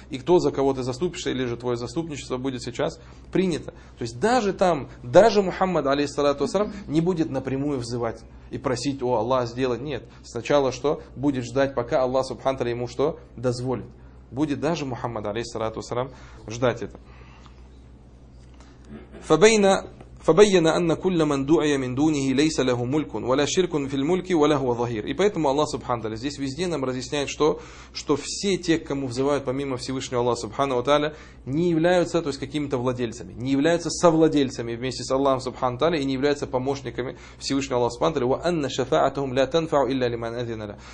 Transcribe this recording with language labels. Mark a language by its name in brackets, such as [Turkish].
[Russian] И кто, за кого ты заступишься, или же твое заступничество будет сейчас принято. То есть, даже там... Даже Мухаммад, алейхиссалату вассалям, не будет напрямую взывать и просить, о, Аллах, сделать. Нет. Сначала что? Будет ждать, пока Аллах, субхану тааля, ему что? Дозволит. Будет даже Мухаммад, алейхиссалату вассалям, ждать это. [Arabic] فبين أن كل من دعي من دونه ليس له ملك ولا شرك في الملك ولا هو ظهير. [Russian] И поэтому Аллах Субхану Тааля здесь везде нам разъясняет, что все те, кому взывают помимо Всевышнего Аллаха Субхану Тааля, не являются, то есть, какими-то владельцами, не являются совладельцами вместе с Аллахом Субхану Тааля и не являются помощниками Всевышнего Аллаха Субхану Тааля. [Arabic] وَأَنَّ شَفَاعَتَهُمْ لَا تَنْفَعُ إِلَّا لِمَنْ أَذِنَ لَهُ.